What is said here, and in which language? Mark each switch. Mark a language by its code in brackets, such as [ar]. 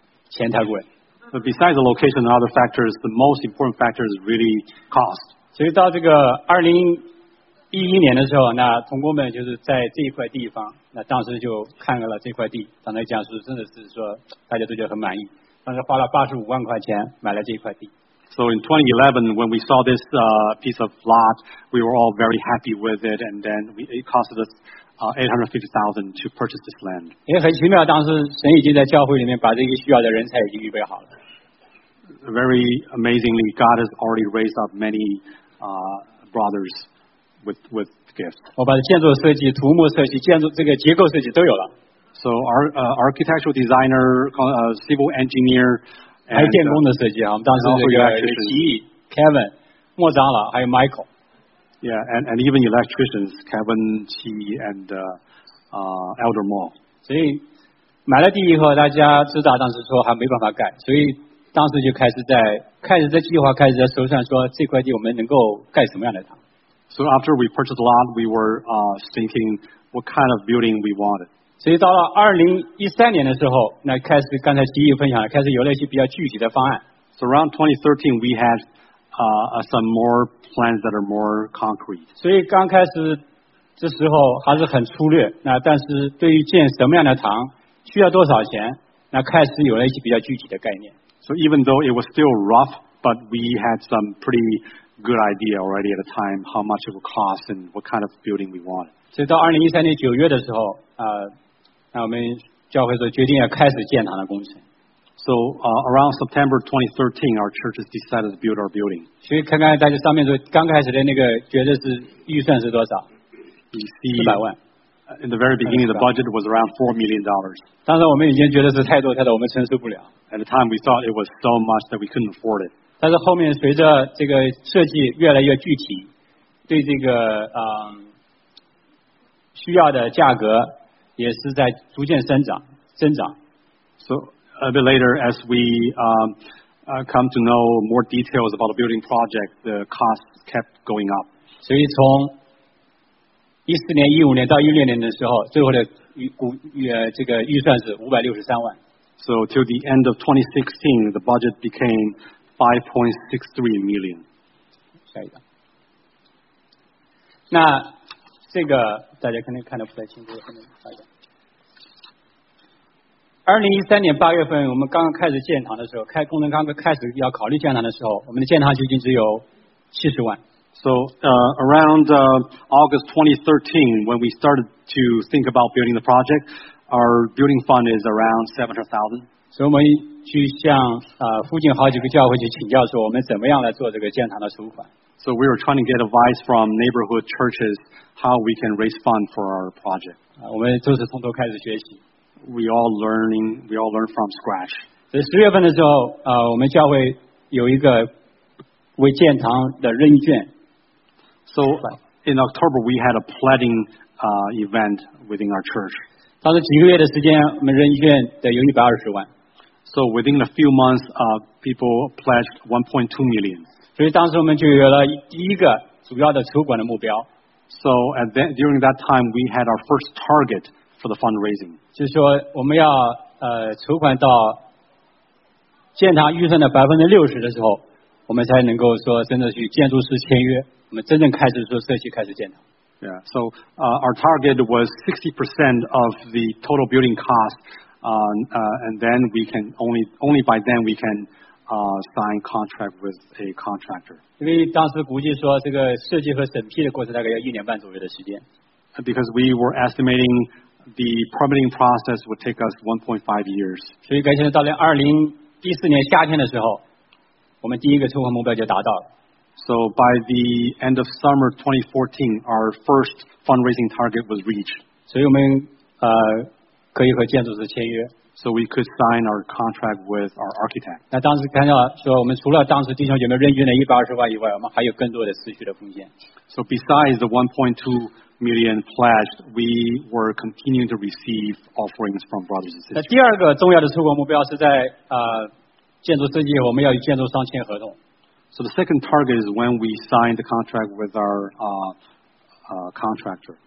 [zh] 钱太贵。 [en] But besides the location and other factors, the most important factor is really cost. [zh] 所以到这个2011年的时候，那同工们就是在这一块地方，那当时就看了这块地，刚才讲说真的是说大家都觉得很满意，当时花了85万块钱买了这一块地。 [en] So in 2011, when we saw this piece of lot, we were all very happy with it, and then it cost us $850,000 to purchase this land. [zh] 也很奇妙，当时神已经在教会里面把这个需要的人才已经预备好了。 [en] Very amazingly, God has already raised up many brothers with gifts. [zh] 我把建筑设计、土木设计、建筑这个结构设计都有了。 [en] So our architectural designer, civil engineer, [zh] 还有电工的设计啊，我们当时这个齐毅、Kevin、莫长老还有 Michael。 [en] Yeah, and even electricians, Kevin, Qi, and Elder Mo. [zh] 所以买了地以后，大家知道当时说还没办法盖，所以当时就开始在计划，开始在筹算说这块地我们能够盖什么样的堂。 [en] So after we purchased the lot, we were thinking what kind of building we wanted. [zh] 所以到了2013年的时候，那开始刚才齐毅分享了，开始有了一些比较具体的方案。 [en] So around 2013, we had some more plans that are more concrete. [zh] 所以刚开始这时候还是很粗略，那但是对于建什么样的堂需要多少钱，那开始有了一些比较具体的概念。 [en] So even though it was still rough, but we had some pretty good idea already at the time how much it would cost and what kind of building we wanted. [zh] 所以到2013年9月的时候，那我们教会所决定要开始建堂的工程。 [en] So around September 2013, our church has decided to build our building. [zh] 所以看看大家上面说刚开始的那个觉得是预算是多少？ 400万。 [en] In the very beginning, the budget was around $4 million. [zh] 当时我们已经觉得是太多太多，我们承受不了。 [en] At the time, we thought it was so much that we couldn't afford it. [zh] 但是后面随着这个设计越来越具体，对这个需要的价格也是在逐渐增长。 [en] So. A bit later, as we come to know more details about the building project, the cost kept going up. [zh] 所以从2014年、2015年到2016年的时候，最后的这个预算是563万。 [en] So till the end of 2016, the budget became $5.63 million. [zh] 下一个。那这个大家肯定看得不太清楚，后面下一个。 2013年8月份，我们刚刚开始建堂的时候，开工程刚刚开始要考虑建堂的时候，我们的建堂基金只有70万。 [en] So around August 2013, when we started to think about building the project, our building fund is around 700,000. [zh] 所以我们去向附近好几个教会去请教说，我们怎么样来做这个建堂的筹款。 [en] So we were trying to get advice from neighborhood churches how we can raise fund for our project. [zh] 我们都是从头开始学习。 [en] We all learn from scratch. [zh] 所以十月份的时候，我们教会有一个为建堂的认捐。 [en] So in October we had a pledging event within our church. [zh] 当时几个月的时间，我们认捐的有120万。 [en] So within a few months, people pledged $1.2 million. [zh] 所以当时我们就有了第一个主要的筹款的目标。 [en] So at that, during that time, we had our first target for the fundraising. [zh] 就是说我们要筹款到建堂预算的60%的时候，我们才能够说真的去建筑师签约，我们真正开始说社区开始建堂。 [en] Yeah. So our target was 60% of the total building cost, and then we can only by then we can sign contract with a contractor. [zh] 因为当时估计说这个设计和审批的过程大概要1.5年左右的时间。 [en] Because we were estimating the permitting process would take us 1.5 years. [zh] 所以，感谢到了2014年夏天的时候，我们第一个筹款目标就达到了。 [en] So by the end of summer 2014, our first fundraising target was reached. [zh] 所以我们可以和建筑师签约。 [en] So we could sign our contract with our architect. [zh] 那当时看到说，我们除了当时弟兄姐妹认捐的120万以外，我们还有更多的持续的风险。 [en] So besides the 1.2 million pledged, we were continuing to receive offerings from brothers and sisters. [zh] 那第二个重要的筹款目标是在建筑设计，我们要与建筑商签合同。 [en] So the second target is when we signed the contract with our contractor.